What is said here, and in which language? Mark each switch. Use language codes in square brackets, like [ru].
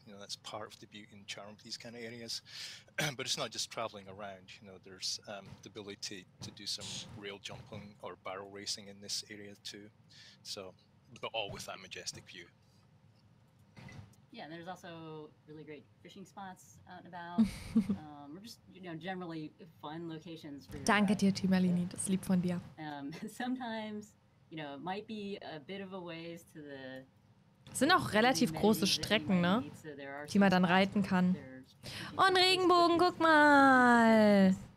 [en] You know, that's part of the beauty and charm of these kind of areas. But it's not just traveling around, you know, there's the ability to do some rail jumping or barrel racing in this area too. So, but all with that majestic view. Yeah, and there's also really great fishing spots out and about. We're just, you know, generally fun locations for your [de] Danke dir, Timalini, das lieb von dir. [en] Sometimes, you know, it might be a bit of a ways to the [de] Es sind auch relativ große Strecken, ne? Die man dann reiten kann. Oh, ein Regenbogen, guck mal!